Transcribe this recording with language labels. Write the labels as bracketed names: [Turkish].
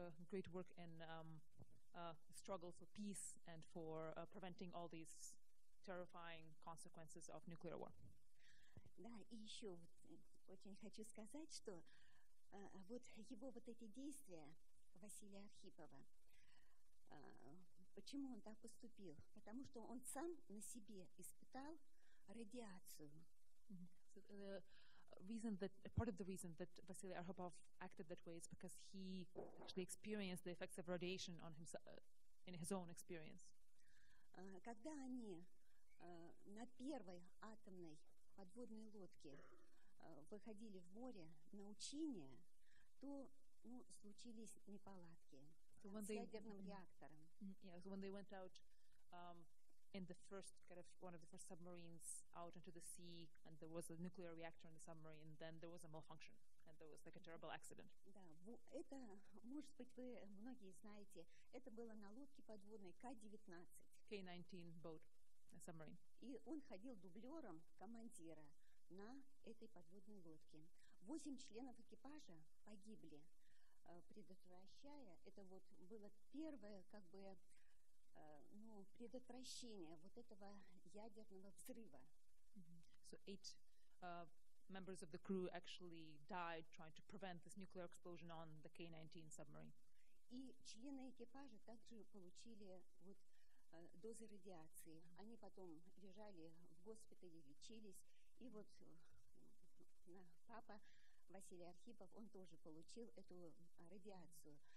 [English] Great work in struggle for peace and for preventing all these terrifying consequences of nuclear war. [Russian] Да, и еще вот, очень хочу сказать, что вот его вот эти действия, Василия Архипова, почему он так поступил? Потому что он сам на себе испытал радиацию. [English] Part of the reason that Василий Архипов acted that way is because he actually experienced the effects of radiation on himself, in his own experience. [Russian] Когда они на первой атомной подводные лодки выходили в море на учения, то, ну, случились неполадки. [English] So when they, when they went out in the first kind of one of the first submarines out into the sea, and there was a nuclear reactor in the submarine, then there was a malfunction, and there was like a terrible accident. [Russian] Да, это, может быть, вы многие знаете, это было на лодке подводной [English] K-19 boat, a submarine. [Russian] И он ходил дублером командира на этой подводной лодке. Восемь членов экипажа погибли. Предотвращая, это вот было первое, как бы, ну, предотвращение вот этого ядерного взрыва. [English] So eight members of the crew actually died trying to prevent this nuclear explosion on the K-19 submarine. [Russian] И члены экипажа также получили вот дозы радиации. Они потом лежали в госпитале, лечились, и вот папа Василий Архипов, он тоже получил эту радиацию.